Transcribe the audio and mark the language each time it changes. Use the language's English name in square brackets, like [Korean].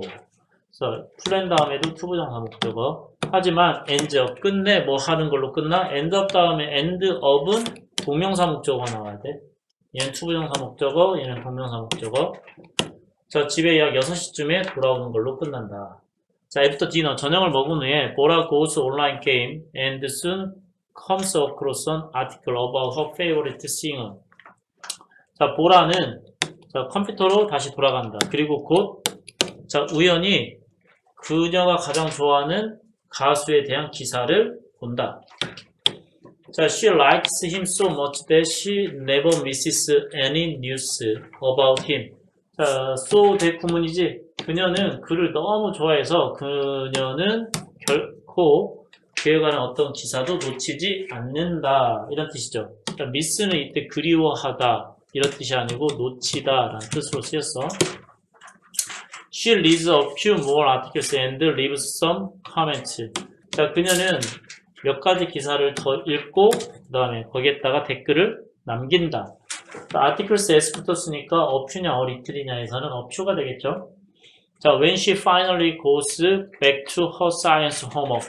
[Korean] 그래서 plan 다음에도 투부정사 목적어. 하지만 end up 끝내 뭐 하는 걸로 끝나? end up 다음에 end up은 동명사 목적어 나와야 돼. 얘는 투부정사 목적어, 얘는 동명사 목적어. 자, 집에 약 6시쯤에 돌아오는 걸로 끝난다. [English] 자, after dinner [Korean] 저녁을 먹은 후에 [English] 보라 goes online game and soon comes across an article about her favorite singer. [Korean] 자, 보라는 자, 컴퓨터로 다시 돌아간다. 그리고 곧 자, 우연히 그녀가 가장 좋아하는 가수에 대한 기사를 본다. [English] 자, she likes him so much that she never misses any news about him. [Korean] 자, so 대구문이지. 그녀는 그를 너무 좋아해서 그녀는 결코 그에 관한 어떤 기사도 놓치지 않는다 이런 뜻이죠. 그러니까 미스는 이때 그리워하다 이런 뜻이 아니고 놓치다라는 뜻으로 쓰였어. [English] She reads a few more articles and leaves some comments. [Korean] 자, 그녀는 몇 가지 기사를 더 읽고 그다음에 거기에다가 댓글을 남긴다. Articles S 붙었으니까 a few냐 or little이냐에서는 a few가 되겠죠. [English] 자, when she finally goes back to her science homework.